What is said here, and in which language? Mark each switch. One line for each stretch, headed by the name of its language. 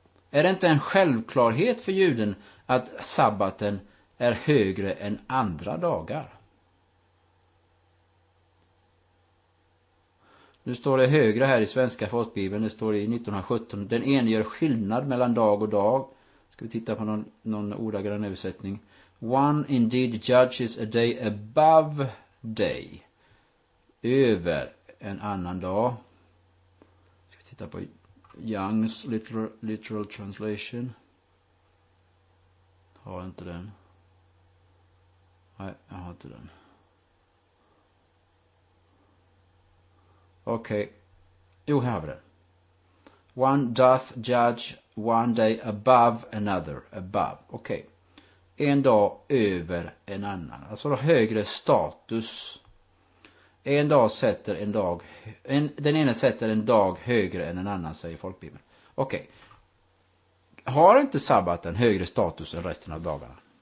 Swedish: Är det inte en självklarhet för juden att sabbaten är högre än andra dagar? Nu står det högre här i svenska folkbibeln, det står i 1917. Den ene gör skillnad mellan dag och dag. Ska vi titta på någon ordagrann översättning.
English: One indeed judges a day above day.
Swedish: Över en annan dag. Ska vi titta på Young's literal translation. Har inte den. Nej, jag har inte den. Okej, okay. Jo, här har vi det.
English: One doth judge one day above another, above.
Swedish: Okej, okay. En dag över en annan, alltså högre status. En dag sätter en dag, den ena sätter en dag högre än en annan, säger folkbibeln. Okej, okay. Har inte sabbaten högre status än resten av dagarna?